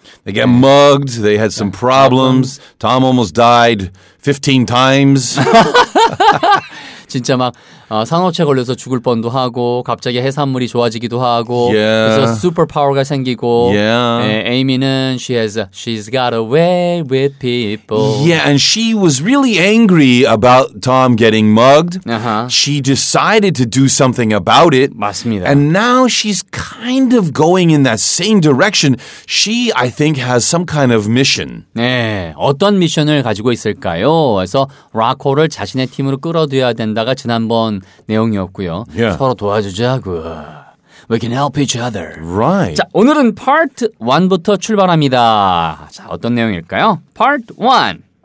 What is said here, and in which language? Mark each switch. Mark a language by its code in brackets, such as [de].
[en] They got mugged. They had some problems. Tom almost died 15 times. [ko] 진짜 막 산호체 걸려서 죽을 뻔도 하고 갑자기 해산물이 좋아지기도 하고 [en] yeah. [ko] 그래서 슈퍼 파워가 생기고 [en] yeah. 에, 에이미는 she's got away with people. Yeah, and she was really angry about Tom getting mugged. Uh-huh. She decided to do something about it. [ko] 맞습니다. [en] And now she's kind of going in that same direction. She, I think, has some kind of mission. [ko] 네, 어떤 미션을 가지고 있을까요? 그래서 라코를 자신의 팀으로 끌어들여야 된다가 지난번 내용이었고요. [en] Yeah. [ko] 서로 도와주자고. [en] We can help each other. Right. [ko] 자, 오늘은 part 1부터 출발합니다. 자, 어떤 내용일까요? Part 1.